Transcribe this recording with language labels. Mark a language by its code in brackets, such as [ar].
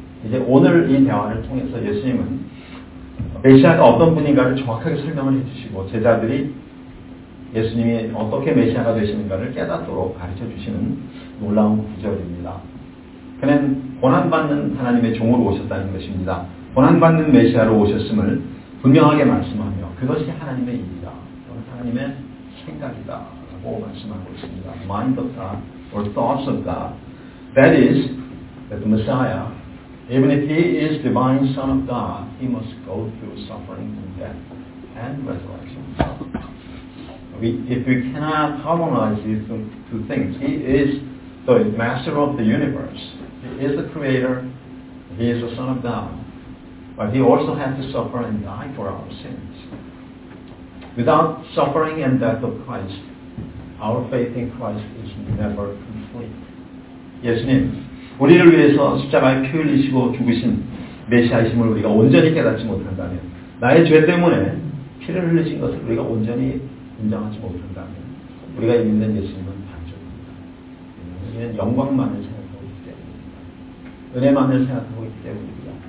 [ko] 이제 오늘 이 대화를 통해서 예수님은 메시아가 어떤 분인가를 정확하게 설명을 해주시고 제자들이 예수님이 어떻게 메시아가 되시는가를 깨닫도록 가르쳐주시는 놀라운 구절입니다. 그는 고난받는 하나님의 종으로 오셨다는 것입니다. 고난받는 메시아로 오셨음을 분명하게 말씀하며 그것이 하나님의 일이다. 또는 하나님의 생각이다. 라고 말씀하고 있습니다. [en] Mind of God or thoughts of God. That is that the Messiah, even if he is divine son of God, he must go through suffering and death and resurrection. if we cannot harmonize these two things, he is the master of the universe. He is the creator. He is the son of God. But he also had to suffer and die for our sins. Without suffering and death of Christ, our faith in Christ is never complete. [ko] 예수님, 우리를 위해서 십자가에 피 흘리시고 죽으신 메시아이심을 우리가 온전히 깨닫지 못한다면, 나의 죄 때문에 피를 흘리신 것을 우리가 온전히 인정하지 못한다면, 우리가 믿는 예수님은 반전입니다. 우리는 영광만을 생각하고 있기 때문입니다. 은혜만을 생각하고 있기 때문입니다.